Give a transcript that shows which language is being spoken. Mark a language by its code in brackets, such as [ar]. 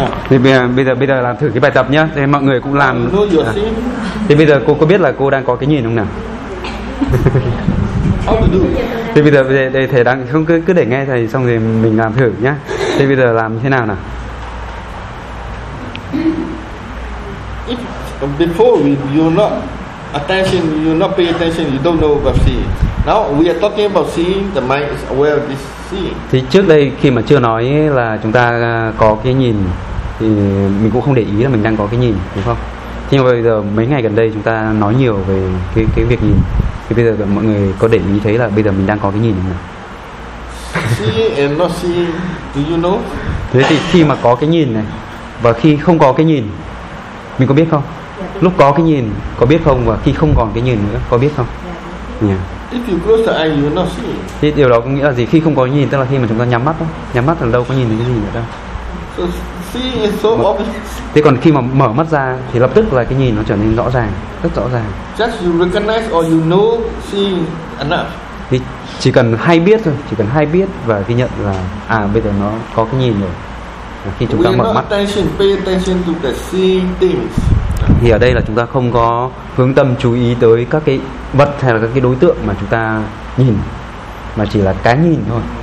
[vi] Thì bây giờ làm thử cái bài tập nhá. Thì mọi người cũng làm. Thì bây giờ cô có biết là cô đang có cái nhìn không nào? [en] How to do? [vi] Thì bây giờ để thầy đang không cứ để nghe thầy xong thì mình làm thử nhá. Thế bây giờ làm thế nào nào? [en] If before you not attention, you not pay attention, you don't know about seeing. Now we are talking about seeing, the mind is aware of this seeing. [vi] Thì trước đây khi mà chưa nói là chúng ta có cái nhìn thì mình cũng không để ý là mình đang có cái nhìn, đúng không? Thế nhưng mà bây giờ mấy ngày gần đây chúng ta nói nhiều về cái việc nhìn. Thì bây giờ mọi người có để ý thấy là bây giờ mình đang có cái nhìn không nào? [en] See and not see, do you know? [vi] Thế thì khi mà có cái nhìn này và khi không có cái nhìn, mình có biết không? Lúc có cái nhìn có biết không, và khi không còn cái nhìn nữa có biết không? [en] Yeah. If you close the eye, you not see. [vi] Thế điều đó có nghĩa là gì? Khi không có nhìn tức là khi mà chúng ta nhắm mắt đó. Nhắm mắt là đâu có nhìn thấy cái gì nữa đâu. [en] So see is so obvious. [vi] Thế còn khi mà mở mắt ra thì lập tức là cái nhìn nó trở nên rõ ràng, rất rõ ràng. [en] Just you recognize or you know seeing enough. [vi] Thì chỉ cần hay biết thôi, chỉ cần hay biết và ghi nhận là à bây giờ nó có cái nhìn rồi. Và khi chúng ta mở mắt [en] attention, pay attention to the seeing things. [vi] Thì ở đây là chúng ta không có hướng tâm chú ý tới các cái vật hay là các cái đối tượng mà chúng ta nhìn, mà chỉ là cái nhìn thôi.